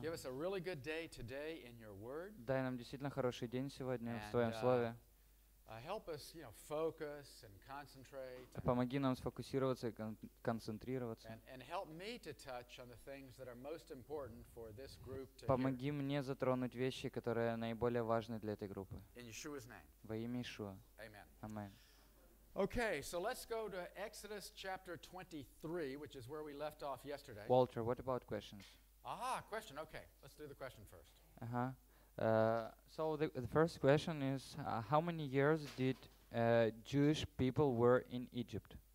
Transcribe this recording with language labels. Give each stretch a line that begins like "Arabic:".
English: give us a really good day today in your word.
Russian: Дай нам действительно хороший день сегодня в Твоем Слове.
English: Help us, you know, focus and concentrate.
Russian: Помоги нам сфокусироваться и концентрироваться.
English: And help me to touch on the things that are most important for this group to hear.
Russian: Помоги мне затронуть вещи, которые наиболее важны для этой группы.
English: In Yeshua's name.
Russian: Во имя Иешуа.
English: Amen. Amen. Okay, so let's go to Exodus chapter 23, which is where we left off yesterday. Walter, what about questions? Question. Okay, let's do the question first. Uh-huh. So the first question is, how many years did Jewish people were in Egypt?